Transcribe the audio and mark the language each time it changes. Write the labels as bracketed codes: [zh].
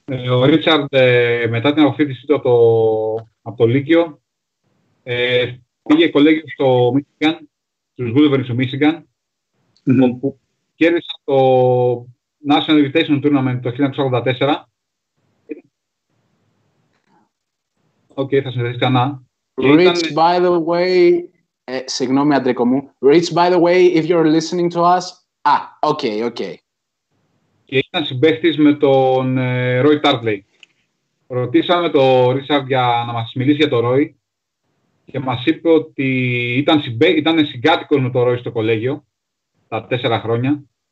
[el] Ο Ρίτσαρντ μετά την αποφύτισή του από το Λύκειο πήγε κολέγιο στο Μίσιγκαν, στους Wolverines του Μίσιγκαν, όπου κέρδισε το National Invitation Tournament το 1984. Οκ, θα συνεχίσει ξανά. [en] Rich, by the way, [el] συγγνώμη Αντρίκο μου, [en] Rich, by the way, if you're listening to us, οκ. [el] Και ήταν συμπαίχτης με τον Roy Tarpley. Ρωτήσαμε τον Ρίτσαρντ για να μας μιλήσει για τον Roy και μας είπε ότι ήταν συγκάτοικος με τον Roy στο κολέγιο τα 4 χρόνια.